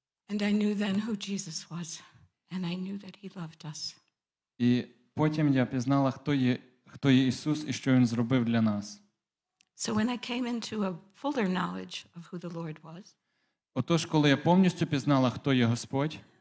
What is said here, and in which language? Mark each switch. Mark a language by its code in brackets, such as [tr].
[en] And I knew then who Jesus was and I knew that he loved us. [uk] І потім я пізнала, хто є Ісус і що Він зробив для нас. [en] So when I came into a fuller knowledge of who the Lord was, [uk] отож, коли я повністю пізнала, хто є Господь,